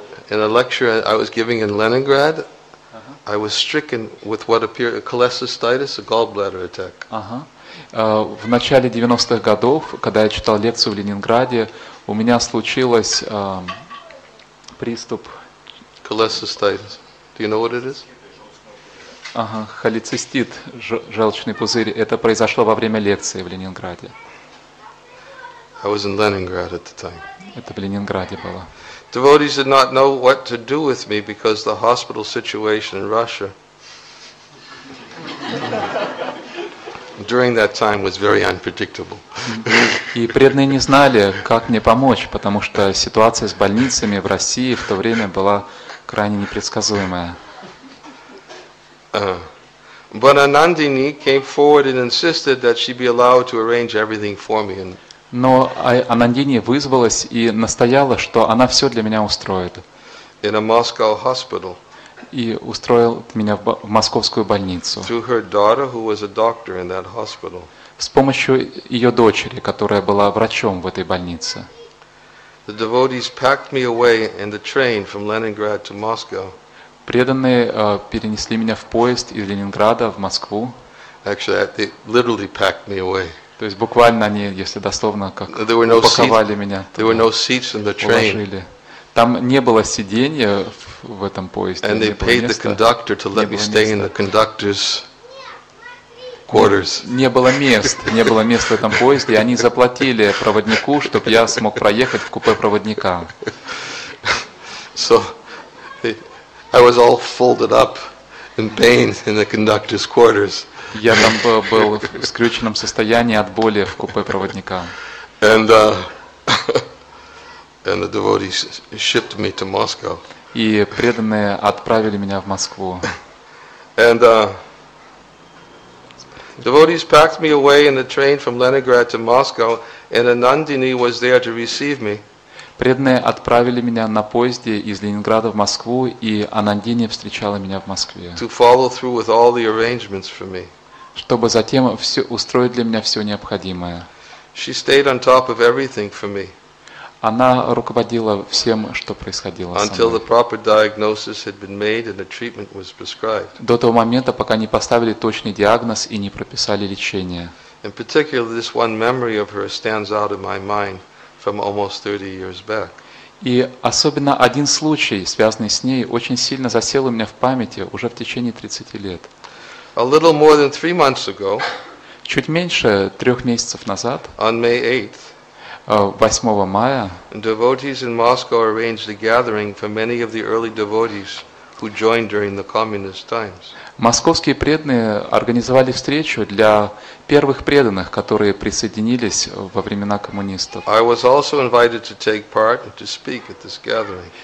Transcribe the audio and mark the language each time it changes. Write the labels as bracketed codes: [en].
[en] In a lecture I was giving in Leningrad, I was stricken with what appeared a cholecystitis, a gallbladder attack. [ru] В начале 90-х годов, когда я читал лекцию в Ленинграде, у меня случилось приступ... [en] Cholecystitis. Do you know what it is? [ru] Холецистит, желчный пузырь. Это произошло во время лекции в Ленинграде. [en] I was in Leningrad at the time. [ru] Это в Ленинграде было. [en] Devotees did not know what to do with me because the hospital situation in Russia during that time was very unpredictable. [ru] И преданные не знали, как мне помочь, потому что ситуация с больницами в России в то время была крайне непредсказуемая. [en] But Anandini came forward and insisted that she be allowed to arrange everything for me. [ru] Но Анандини вызвалась и настояла, что она все для меня устроит. [en] In a Moscow hospital. [ru] И устроил меня в московскую больницу. [en] Through her daughter, who was a doctor in that hospital. [ru] С помощью ее дочери, которая была врачом в этой больнице. [en] The devotees packed me away in the train from Leningrad to Moscow. [ru] Преданные перенесли меня в поезд из Ленинграда в Москву. [en] Actually, they literally packed me away. [ru] То есть буквально они, если дословно, как упаковали меня, уложили. Там не было сидения в этом поезде. [en] And they paid the conductor to let me stay in the conductor's quarters. [ru] Не было мест в этом поезде, и они заплатили проводнику, чтобы я смог проехать в купе проводника. [en] So I was all folded up in pain in the conductor's quarters. [ru] Я там был в скрюченном состоянии от боли в купе проводника. [en] And the devotees shipped me to Moscow. [ru] И преданные отправили меня в Москву. [en] And devotees packed me away in the train from Leningrad to Moscow, and Anandini was there to receive me. [ru] Преданные отправили меня на поезде из Ленинграда в Москву, и Анандини встречала меня в Москве. [en] To follow through with all the arrangements for me. [ru] Чтобы затем все, устроить для меня все необходимое. [en] She stayed on top of everything for me. [ru] Она руководила всем, что происходило со мной. [en] Until the proper diagnosis had been made and the treatment was prescribed. [ru] До того момента, пока не поставили точный диагноз и не прописали лечение. [en] In particular, this one memory of her stands out in my mind from almost 30 years back. [ru] И особенно один случай, связанный с ней, очень сильно засел у меня в памяти уже в течение 30 лет. [en] A little more than 3 months ago, [ru] чуть меньше 3 месяцев назад, [en] on May 8th, [ru] 8 мая, [en] devotees in Moscow arranged a gathering for many of the early devotees who joined during the communist times. [ru] Московские преданные организовали встречу для первых преданных, которые присоединились во времена коммунистов. [en] I was also invited to take part and to speak at this gathering.